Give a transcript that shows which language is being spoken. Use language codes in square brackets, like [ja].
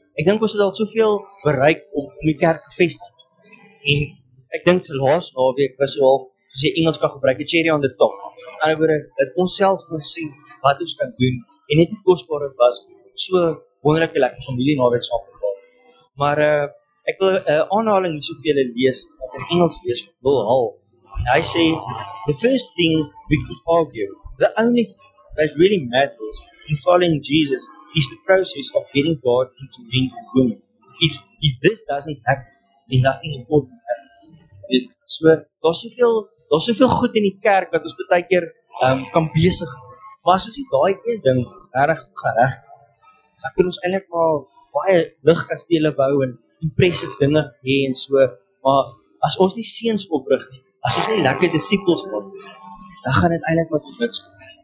[af] Ek dink ons het al soveel bereik om die kerk gevestig. En ek dink laas naweek was al, soos jy Engels kan gebruik, [en] a cherry on the top. [af] In ander woorde, dat ons self moet sien wat ons kan doen en net hoe kosbaar dit was, so wonderlike lekker familie naweek saam te gaan. Maar ek wil 'n aanhaling hier so vir julle lees, wat in Engels lees vir Bill Hall. [en] And I say, the first thing we could argue, the only thing that really matters in following Jesus is the process of getting God into men and women. If this doesn't happen, then nothing important happens. [af] So, daar's soveel goed in die kerk wat ons baie keer kan besig. Maar as ons nie daai een ding reg gereg kry, dan kan ons eintlik maar baie ligkastele bou en impressive dinge hê en so. Maar as ons nie seuns oprig nie, as ons nie lekker disippels word, dan gaan dit eintlik maar tot niks kom.